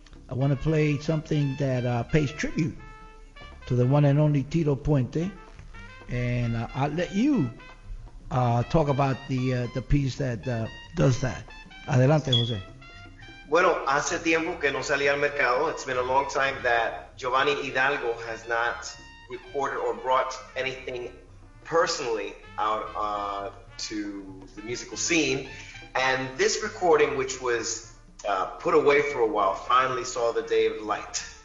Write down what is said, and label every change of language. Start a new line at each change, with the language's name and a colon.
English: I want to play something that pays tribute to the one and only Tito Puente. And I'll let you talk about the piece that does that.
Spanish: Adelante, José. Bueno, hace tiempo que no salí al mercado.
English: It's been a long time that Giovanni Hidalgo has not recorded or brought anything personally out to the musical scene. And this recording, which was put away for a while, finally saw the day of light.